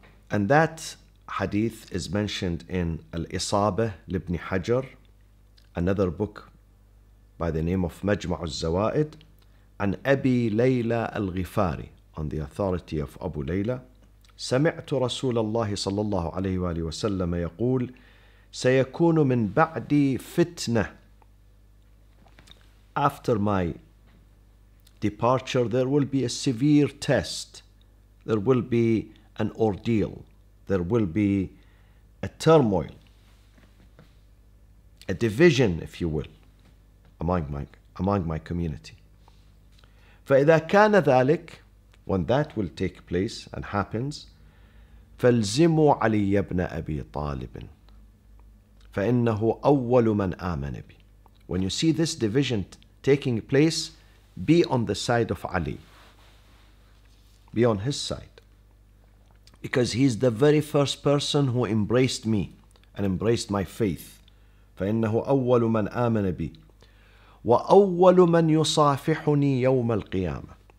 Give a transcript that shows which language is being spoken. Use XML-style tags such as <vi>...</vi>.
<en>And that hadith is mentioned in Al-Isaba Ibn Hajar, another book by the name of Majma'u al-Zawa'id, and Abi Layla al-Ghifari, on the authority of Abu Layla.</en> <ar>سمعت رسول الله صلى الله عليه وآله وسلم يقول سيكون من بعدي فتنة.</ar> <en>After my departure, there will be a severe test. There will be an ordeal. There will be a turmoil, a division, if you will, among my community.</en> <ar>فإذا كان ذلك,</ar> <en>when that will take place and happens,</en> <ar>فالزموا علي بن أبي طالب فإنه أول من آمن بي.</ar> <en>When you see this division taking place, be on the side of Ali. Be on his side. Because he's the very first person who embraced me and embraced my faith.</en> <ar>فَإِنَّهُ أَوَّلُ مَنْ آمَنَ بِي وَأَوَّلُ مَنْ يُصَافِحُنِي يَوْمَ الْقِيَامَةِ.</ar>